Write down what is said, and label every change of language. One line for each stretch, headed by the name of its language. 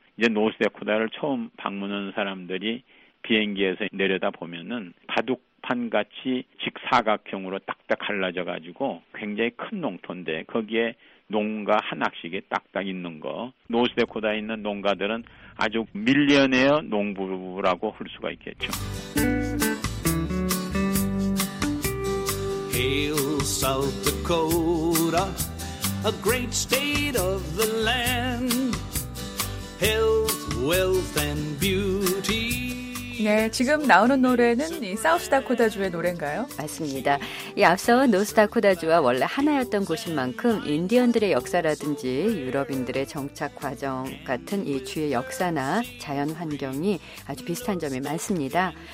Korean: 이제 노스데코다를 처음 방문한 사람들이 비행기에서 내려다 보면은 바둑판 같이 직사각형으로 딱딱 갈라져 가지고 굉장히 큰 농토인데 거기에 농가 하나씩이 딱딱 있는 거. 노스데코다에 있는 농가들은 아주 밀리어네어 농부라고 할 수가 있겠죠.
English: Hail South Dakota, a great state of the land. Health, wealth and beauty.
Korean: 네, 지금 나오는 노래는 이 사우스 다코다주의 노래인가요? 맞습니다. 이 앞서 노스다코다주와 원래 하나였던 곳인 만큼 인디언들의 역사라든지 유럽인들의 정착 과정 같은 이 주의 역사나 자연 환경이 아주 비슷한 점이 많습니다.